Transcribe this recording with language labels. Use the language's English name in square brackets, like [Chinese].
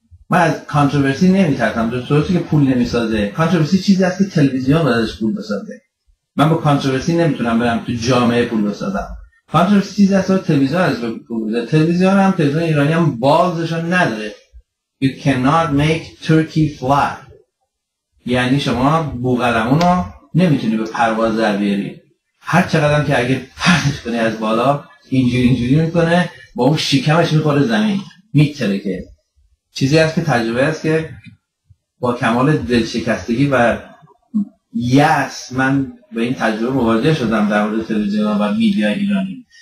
[Persian] من از کانتروورسی نمیترسم، در صورتی که پول نمیسازه، کانتروورسی چیزی هست که تلویزیون بازش پول بسازه، من با کانتروورسی نمیتونم برم تو جامعه پول بسازم، کانتروورسی چیزی هست که تلویزیون ازش پول بده، تلویزیون هم تلویزیون ایرانی هم بازشون نداره، [English] You cannot make turkey fly. [Persian] یعنی شما بوقلمون رو نمیتونی به پرواز در بیاری. هر چقدر که اگه پرتش کنی از بالا اینجوری اینجوری میکنه با اون شکمش میخوره زمین. میترکه. چیزی هست که تجربه هست که با کمال دلشکستگی و یأس من به این تجربه مواجه شدم در مورد تلویزیون و میدیا ایرانی.